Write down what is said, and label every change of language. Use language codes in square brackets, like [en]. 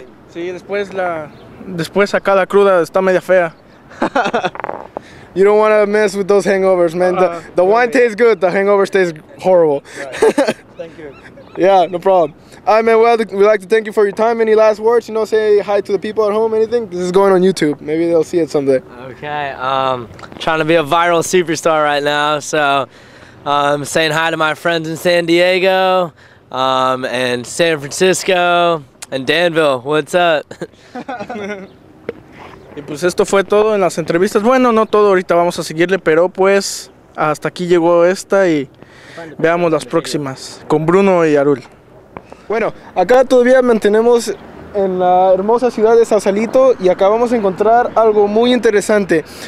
[es] Sí, después acá la cruda está media fea. [en] You don't want to mess with those hangovers, man. The wine tastes good, the hangover stays horrible. Right. Thank you. Yeah, no problem. All right, man, we'd like to thank you for your time. Any last words? You know, say hi to the people at home, anything? This is going on YouTube. Maybe they'll see it someday. Okay, trying to be a viral superstar right now, so... saying hi to my friends in San Diego, and San Francisco, and Danville. What's up? [es] Y pues esto fue todo en las entrevistas. Bueno, no todo, ahorita vamos a seguirle, pero pues hasta aquí llegó esta y veamos las próximas con Bruno y Arul. Bueno, acá todavía mantenemos en la hermosa ciudad de Sausalito y acá vamos a encontrar algo muy interesante.